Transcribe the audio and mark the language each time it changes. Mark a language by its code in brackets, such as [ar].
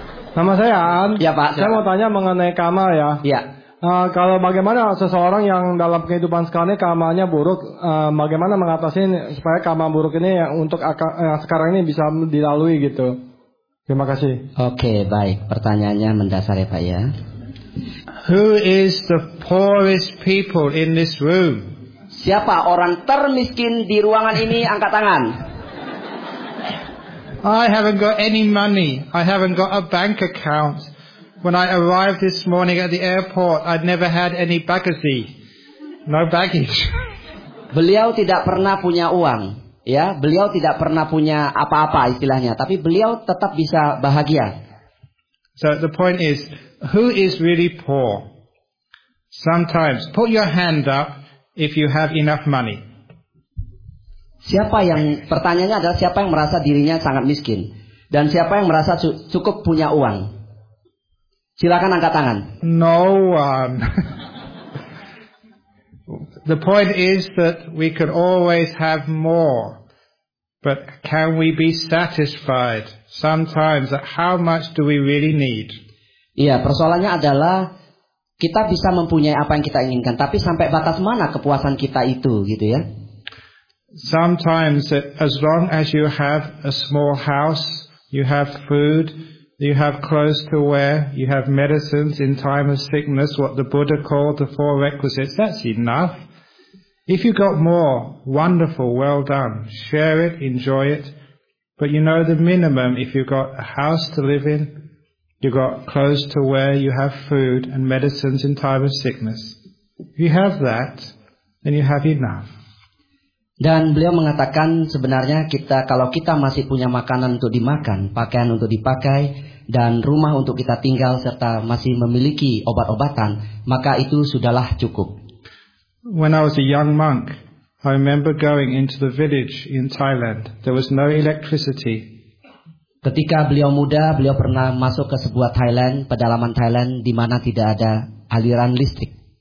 [id] Nama saya An. Iya Pak. Saya mau tanya mengenai karma ya. Iya. Kalau bagaimana seseorang yang dalam kehidupan sekarang ini karmanya buruk, bagaimana mengatasi supaya karma buruk ini untuk sekarang ini bisa dilalui gitu? Terima kasih. Oke, baik. Pertanyaannya mendasar ya Pak ya. [en] Who is the poorest people in this room? [id] Siapa orang termiskin di ruangan ini? Angkat tangan. [en] I haven't got any money. I haven't got a bank account. When I arrived this morning at the airport, I'd never had any baggage. No baggage. [id] Beliau tidak pernah punya uang, ya. Beliau tidak pernah punya apa-apa istilahnya, tapi beliau tetap bisa bahagia. [en] So the point is, who is really poor? Sometimes put your hand up if you have enough money. [id] Siapa yang, pertanyaannya adalah siapa yang merasa dirinya sangat miskin dan siapa yang merasa cukup punya uang? Silakan angkat tangan. [en] No one. The point is that we could always have more. But can we be satisfied sometimes at how much do we really need? [id] Iya, persoalannya adalah kita bisa mempunyai apa yang kita inginkan, tapi sampai batas mana kepuasan kita itu gitu ya. [en] Sometimes as long as you have a small house, you have food, you have clothes to wear, you have medicines in time of sickness, what the Buddha called the four requisites, that's enough. If you got more, wonderful, well done. Share it, enjoy it. But you know the minimum, if you got a house to live in, you got clothes to wear, you have food and medicines in time of sickness. If you have that, then you have enough. [id] Dan beliau mengatakan sebenarnya kita, kalau kita masih punya makanan untuk dimakan, pakaian untuk dipakai, dan rumah untuk kita tinggal, serta masih memiliki obat-obatan, maka itu sudahlah cukup. [en] When I was a young monk, I remember going into the village in Thailand. There was no electricity. [id] Ketika beliau muda, beliau pernah masuk ke sebuah Thailand, pedalaman Thailand, di mana tidak ada aliran listrik.